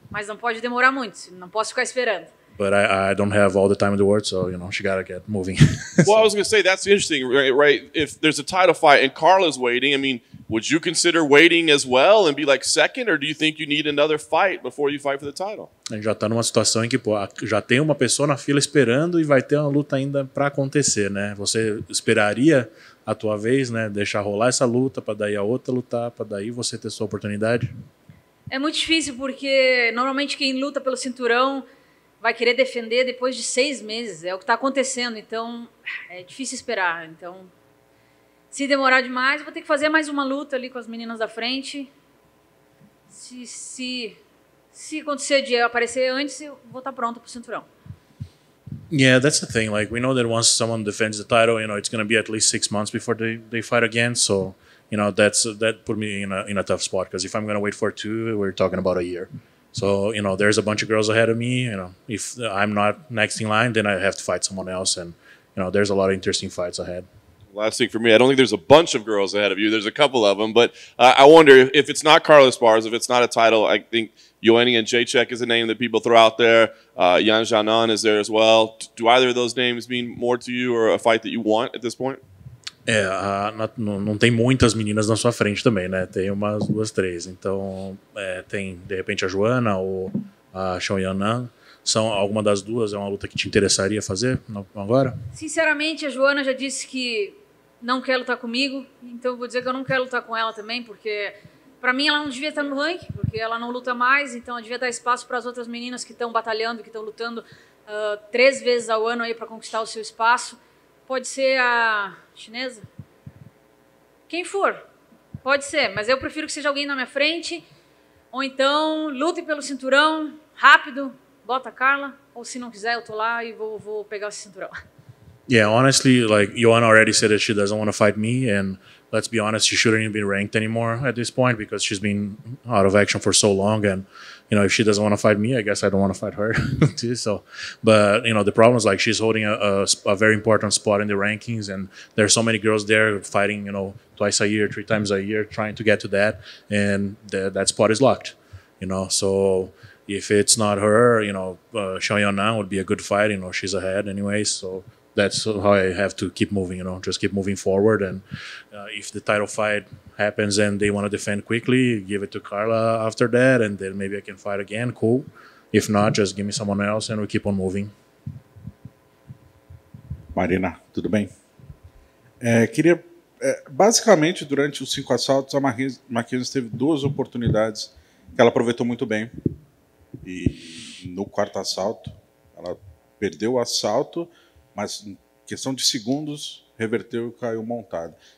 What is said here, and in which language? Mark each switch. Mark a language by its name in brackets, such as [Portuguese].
[Portuguese] Mas não pode demorar muito. Não posso ficar esperando. [English] But I don't have all the time in the world, so you know, she gotta get moving. Well, I was gonna say that's interesting, right? If there's a title fight and Carla's waiting, I mean, would you consider waiting as well and be like second, or do you think you need another fight before you fight for the title? [Portuguese] A gente já tá numa situação em que, pô, já tem uma pessoa na fila esperando e vai ter uma luta ainda para acontecer, né? Você esperaria a tua vez, né? Deixar rolar essa luta para daí a outra lutar, para daí você ter sua oportunidade? É muito difícil porque normalmente quem luta pelo cinturão vai querer defender depois de 6 meses. É o que está acontecendo. Então, é difícil esperar. Então, se demorar demais, eu vou ter que fazer mais uma luta ali com as meninas da frente. Se acontecer de eu aparecer antes, eu vou estar pronta para o cinturão. [English] Yeah, that's the thing. Like, we know that once someone defends the title, you know, it's going to be at least 6 months before they fight again. So, you know, that put me in a tough spot. Because if I'm going to wait for 2, we're talking about a year. So, you know, there's a bunch of girls ahead of me, you know, if I'm not next in line, then I have to fight someone else. And, you know, there's a lot of interesting fights ahead. Last thing for me, I don't think there's a bunch of girls ahead of you. There's a couple of them, but I wonder if it's not Carlos Barros, if it's not a title, I think Joanny and Jacek is a name that people throw out there. Yan Xianan is there as well. Do either of those names mean more to you or a fight that you want at this point? [Portuguese] É, não tem muitas meninas na sua frente também, né? Tem umas 2, 3. Então, tem, de repente, a Joana ou a Xiao Yanan. São alguma das duas? É uma luta que te interessaria fazer agora? Sinceramente, a Joana já disse que não quer lutar comigo. Então, vou dizer que eu não quero lutar com ela também, porque, para mim, ela não devia estar no ranking, porque ela não luta mais. Então, devia dar espaço para as outras meninas que estão batalhando, que estão lutando 3 vezes ao ano aí para conquistar o seu espaço. Pode ser a chinesa? Quem for. Pode ser, mas eu prefiro que seja alguém na minha frente. Ou então, lute pelo cinturão, rápido, bota a Carla. Ou se não quiser, eu tô lá e vou pegar esse cinturão. [English] Yeah, honestly, like, Joanna already said that she doesn't want to fight me. And let's be honest, she shouldn't even be ranked anymore at this point because she's been out of action for so long. And, you know, if she doesn't want to fight me, I guess I don't want to fight her too. So, but, you know, the problem is like she's holding a very important spot in the rankings. And there are so many girls there fighting, you know, 2 a year, 3 times a year, trying to get to that. And that spot is locked, you know. So if it's not her, you know, Xiao Yanan would be a good fight. You know, she's ahead anyway, so that's how I have to keep moving, you know, just keep moving forward. And if the title fight happens and they want to defend quickly, give it to Carla after that, and then maybe I can fight again, cool. If not, just give me someone else and we keep on moving. [Portuguese] Marina, tudo bem? Queria, basicamente, durante os 5 assaltos, a Mackenzie teve 2 oportunidades que ela aproveitou muito bem. E no 4º assalto, ela perdeu o assalto, mas em questão de segundos, reverteu e caiu montada.